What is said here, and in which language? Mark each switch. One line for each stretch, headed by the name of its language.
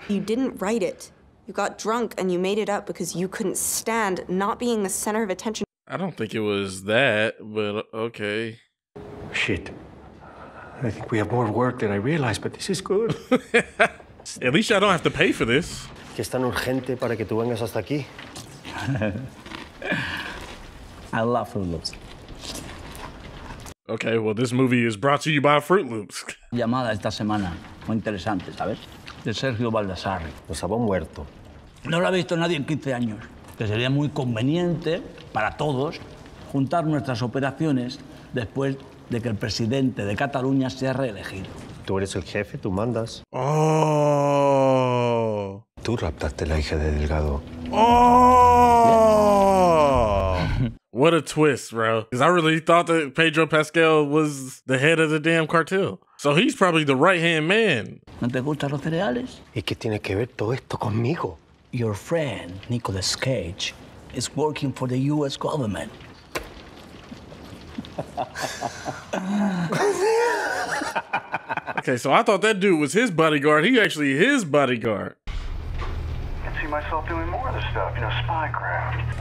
English: You didn't write it. You got drunk and you made it up because you couldn't stand not being the center of attention. I don't think it was that, but okay. Shit. I think we have more work than I realized, but this is good. At least I don't have to pay for this.
Spanish: Que es tan urgente para que tú vengas hasta aquí.
English: I love Fruit Loops. Okay, well, this movie is brought to you by Fruit Loops.
Spanish: Llamada esta semana. Muy interesante, ¿sabes? De Sergio Baldassarre. Pues había muerto. No lo ha visto nadie en 15 años. Que sería muy conveniente para todos juntar nuestras operaciones después de que el presidente de Cataluña sea reelegido. Tú eres el jefe, tú mandas. ¡Oh! Tú raptaste la hija de Delgado.
English: ¡Oh! Yeah. What a twist, bro. Because I really thought that Pedro Pascal was the head of the damn cartel. So he's probably the right-hand man.
Spanish: ¿No te gustan los cereales? ¿Y qué tiene que ver todo esto conmigo?
English: Your friend, Nicolas Cage, is working for the U.S. government. Okay, so I thought that dude was his bodyguard. He actually his bodyguard. I can see myself doing more of this stuff, you know, spycraft.